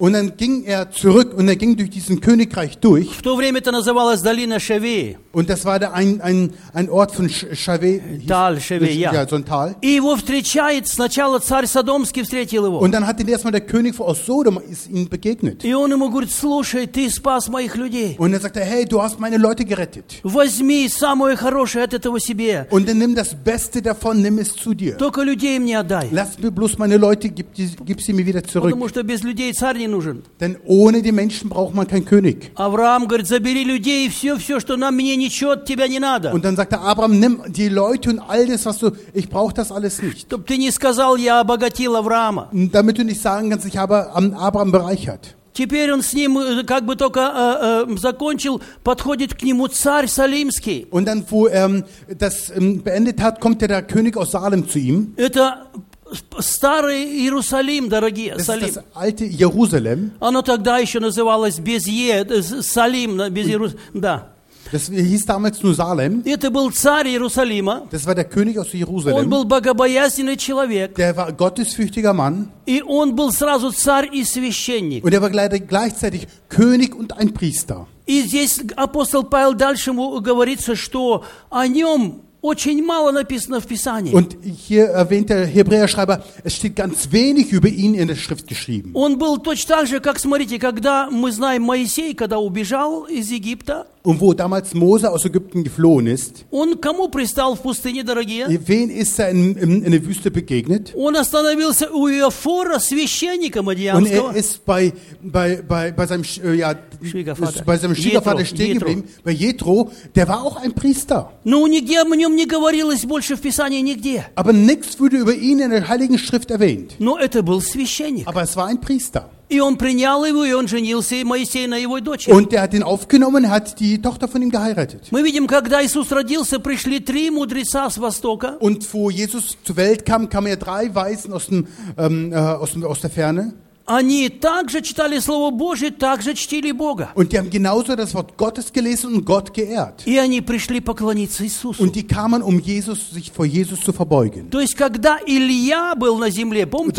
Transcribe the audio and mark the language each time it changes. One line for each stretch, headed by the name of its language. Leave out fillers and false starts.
German: und dann ging er zurück und er ging durch diesen Königreich durch,
Russian: в то время это называлось долина Шаве,
German: und das war da ein Ort von Шаве, Тал Шаве, ja, so ein Tal,
Russian: и его встречает сначала царь Содомский встретил его,
German: und dann hat ihn erstmal der König aus Sodom ist ihm begegnet,
Russian: и он ему говорит: слушай, ты спас моих людей.
German: Und er sagte: "Hey, du hast meine Leute gerettet.
Russian: Возьми самое хорошее от этого себе.
German: Und dann nimm das Beste davon, nimm es zu dir.
Russian: Только людей мне отдай.
German: Lass mir bloß meine Leute, gib sie mir wieder zurück.
Russian: Потому что без людей царь не нужен.
German: Denn ohne die Menschen braucht man keinen König.
Russian: Авраам говорит: "Забери людей и все, что нам мне ничего от тебя не надо."
German: Und dann sagte Abraham: "Nimm die Leute und alles, was du, ich brauche das alles nicht."
Russian: Чтоб ты не сказал, я обогатил Авраама.
German: Damit du nicht sagen kannst, ich habe Abraham bereichert.
Russian: Теперь он с ним, как бы только закончил, подходит к нему царь Салимский.
German: Und dann, wo das beendet hat, kommt der König aus Salem zu ihm.
Russian: Это старый Иерусалим, дорогие, Салим.
German: Das ist das alte Jerusalem.
Russian: Оно тогда еще называлось Безье, Салим, без Иерусалима, да.
German: Das hieß damals nur Salem.
Russian: Это был царь Иерусалима.
German: Das war der König aus Jerusalem.
Russian: Он был богобоязненный человек.
German: Der war gottesfürchtiger Mann.
Russian: И он был сразу царь и священник.
German: Und er war gleichzeitig König und ein Priester.
Russian: И здесь апостол Павел дальше говорится, что о нем очень мало написано в Писании.
German: Und hier erwähnt der Hebräerschreiber, es steht ganz wenig über ihn in der Schrift geschrieben.
Russian: Он был точно так же, как, смотрите, когда мы знаем Моисей, когда убежал из Египта.
German: Und wo damals Mose aus Ägypten geflohen ist.
Russian: Он кому пристал в пустыне, дорогие?
German: Wen ist er in der Wüste begegnet?
Russian: Он остановился у Иофора, священника Мадианского.
German: Und er ist bei seinem Schwiegervater stehen geblieben, bei Jethro, der war auch ein Priester.
Russian: Но нигде о нем не говорилось больше в Писании, нигде.
German: Aber nichts wurde über ihn in der Heiligen Schrift erwähnt.
Russian: Но это был священник.
German: Aber es war ein Priester.
Russian: И он принял его, и он женился, и Моисей на его дочери.
German: Und er hat ihn aufgenommen, hat die Tochter von ihm geheiratet.
Russian: Мы видим, когда Иисус родился, пришли три мудреца с востока.
German: Und wo Jesus zur Welt kam, kamen ja drei Weisen aus der Ferne.
Russian: Они также читали Слово Божие, также чтили Бога.
German: Und die haben genauso das Wort Gottes gelesen und Gott geehrt.
Russian: И они пришли поклониться Иисусу.
German: Und die kamen, um Jesus, sich vor Jesus zu verbeugen.
Russian: То есть, когда Илия был на земле, помните,